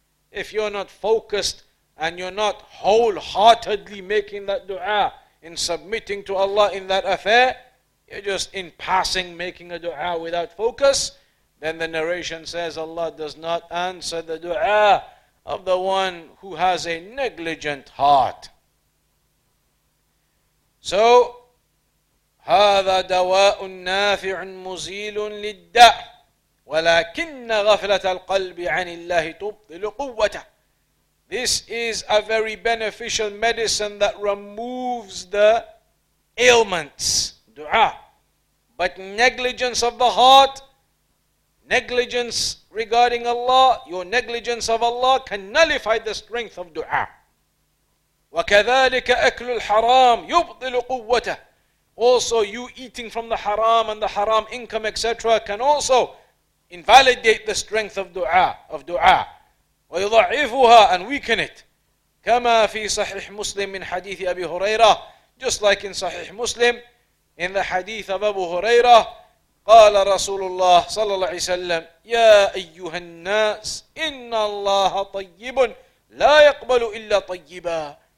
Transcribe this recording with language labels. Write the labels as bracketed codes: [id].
[en] If you're not focused and you're not wholeheartedly making that dua in submitting to Allah in that affair, you're just in passing making a dua without focus, then the narration says Allah does not answer the dua of the one who has a negligent heart. So, [ar] هذا دواء نافع مزيل للداء ولكن غفلة القلب عن الله تبطل قوته. [en] This is a very beneficial medicine that removes the ailments, dua. But negligence of the heart, negligence regarding Allah, your negligence of Allah can nullify the strength of dua. [ar] وكذلك أكل الحرام يبطل قوته. [en] Also, you eating from the haram and the haram income, etc., can also invalidate the strength of dua. [ar] وَيُضَعِفُهَا, [en] and weaken it. [ar] كَمَا فِي صَحِحْ مُسْلِمْ مِنْ حَدِيثِ أَبِي هُرَيْرَةِ. [en] Just like in Sahih Muslim, in the hadith of Abu [ar] Huraira, قَالَ رَسُولُ اللَّهِ صَلَّى اللَّهِ وَسَلَّمْ يَا أَيُّهَا النَّاسِ إِنَّ اللَّهَ طَيِّبٌ لَا يَقْبَلُ إِلَّا طَيِّبًا.